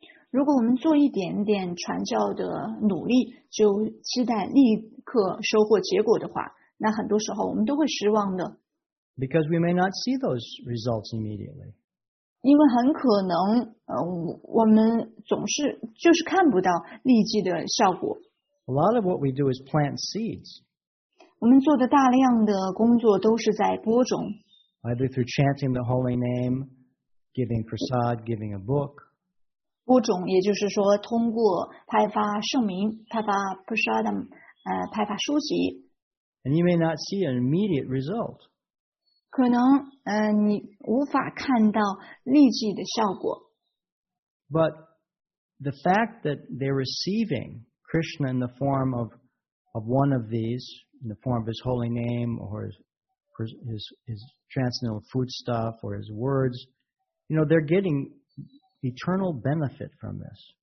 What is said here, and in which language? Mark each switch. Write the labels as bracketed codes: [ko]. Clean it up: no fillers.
[zh] 如果我们做一点点传教的努力，就期待立刻收获结果的话，那很多时候我们都会失望的。 [en] Because we may not see those results immediately. [zh] 因为很可能我们总是就是看不到立即的效果。 [en] A lot of what we do is plant seeds. [zh] 我们做的大量的工作都是在播种。 [en] Either through chanting the holy name, giving prasad, giving a book. [zh] 播种也就是说通过派发圣名、派发 prasadam, 派发书籍。 [en] And you may not see an immediate result. [zh] 可能你无法看到立即的效果。 [en] But the fact that they're receiving Krishna in the form of one of these, in the form of his holy name, or his transcendental foodstuff, or his words, you know, they're getting eternal benefit from this.